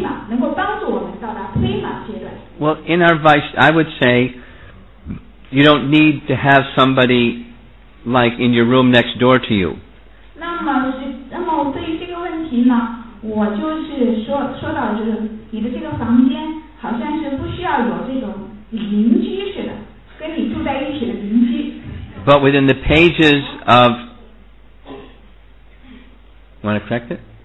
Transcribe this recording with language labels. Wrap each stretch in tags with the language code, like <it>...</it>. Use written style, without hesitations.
<zh>就是，那师傅他们回来，他就解释了说，我对这个问题的理解是这样子的，我们就是在修习萨德达巴提的时候，是不是需要其他的那些精进的奉献者的这种榜样，给我们去做出，我们去追随他，这样如此我们就能够到达推满，能够帮助我们到达推满阶段。</zh> <en>Well, in our vice, I would say, you don't need to have somebody like in your room next door to you.</en> <zh>那么对于这个问题呢，我就是说到就是你的这个房间好像是不需要有这种邻居似的，跟你住在一起的邻居。</zh> <en>But within the pages of, want to correct it?</en>